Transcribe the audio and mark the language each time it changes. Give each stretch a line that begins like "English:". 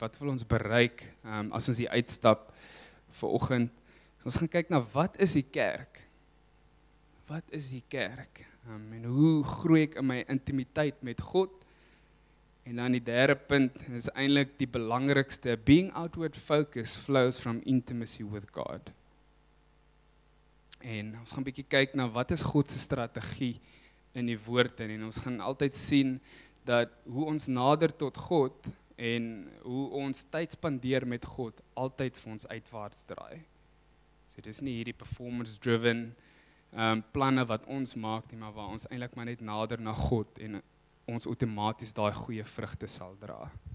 Afrikaans: Wat wil ons bereik as ons hier uitstap vanoggend? So, ons gaan kyk na wat is die kerk? Wat is die kerk? En hoe groei ek in my intimiteit met God? En dan die derde punt is eintlik die belangrikste.
English: Being outward focused flows from intimacy with God.
Afrikaans: En ons gaan 'n bietjie kyk na wat is God se strategie in die woord en ons gaan altyd sien dat hoe ons nader tot God en hoe ons tyd spandeer met God altyd vir ons uitwaarts draai. So dis nie hierdie performance driven planne wat ons maak nie, maar waar ons eintlik maar net nader na God en ons outomaties daai goeie vrugte sal dra.